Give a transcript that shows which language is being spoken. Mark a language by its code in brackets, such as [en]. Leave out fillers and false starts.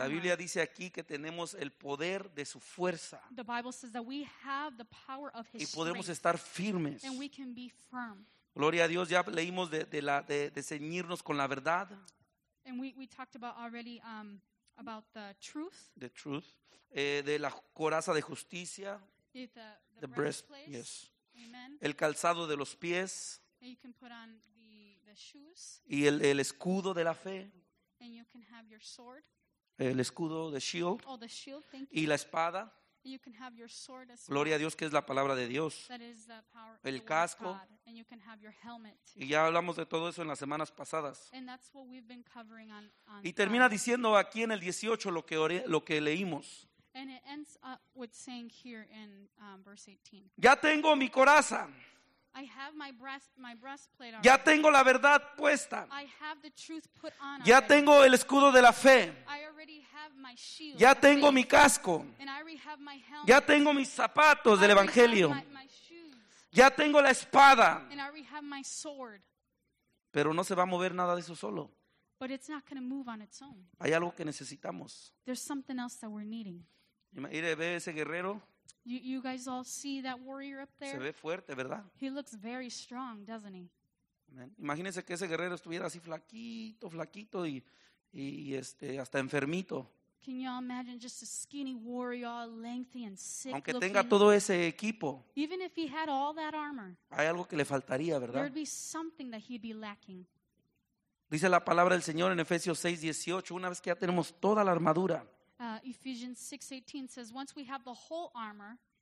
[es] La Biblia dice aquí que tenemos el poder de su fuerza. [en] The Bible says that we have the power of his strength. [es] Y podemos estar firmes. [en] And we can be firm. [es] Gloria a Dios, ya leímos de ceñirnos con la verdad. [en] And we talked about already about the truth. The truth. [es] De la coraza de justicia. [en] The breastplate. Yes. Amen. [es] El calzado de los pies. [en] And you can put on the shoes. [es] Y el escudo de la fe. [en] And you can have your sword. [es] El escudo, [en] the shield. Oh, the shield, thank you. [es] Y la espada. [en] And you can have your sword as well. [es] Gloria a Dios, que es la palabra de Dios. [en] That is the power, [es] el casco. [en] And you can have your helmet. [es] Y ya hablamos de todo eso en las semanas pasadas. [en] And that's what we've been covering on. [es] Y termina diciendo aquí en el 18 lo que leímos. [en] And it ends up with saying here in verse 18. [es] Ya tengo mi coraza. [en] I have my breastplate on. [es] Ya tengo la verdad puesta. [en] I have the truth put on. [es] Ya tengo el escudo de la fe. [en] I already have my shield. [es] Ya tengo mi casco. [en] And I already have my helmet. [es] Ya tengo mis zapatos del evangelio. [en] My shoes. [es] Ya tengo la espada. [en] And I already have my sword. [es] Pero no se va a mover nada de eso solo. [en] But it's not going to move on its own. [es] Hay algo que necesitamos. [en] There's something else that we're needing. [es] Mire, ve ese guerrero. [en] You guys all see that warrior up there? [es] Se ve fuerte, ¿verdad? [en] He looks very strong, doesn't he? Amen. [es] Imagínese que ese guerrero estuviera así flaquito y hasta enfermito. [en] Can you all imagine just a skinny warrior, all lengthy and sick? [es] Aunque tenga todo ese equipo. [en] Even if he had all that armor. [es] Hay algo que le faltaría, ¿verdad? [en] There'd be something that he'd be lacking. [es] Dice la palabra del Señor en Efesios 6:18, una vez que ya tenemos toda la armadura. [en] Ephesians 6:18 says, once we have the whole armor,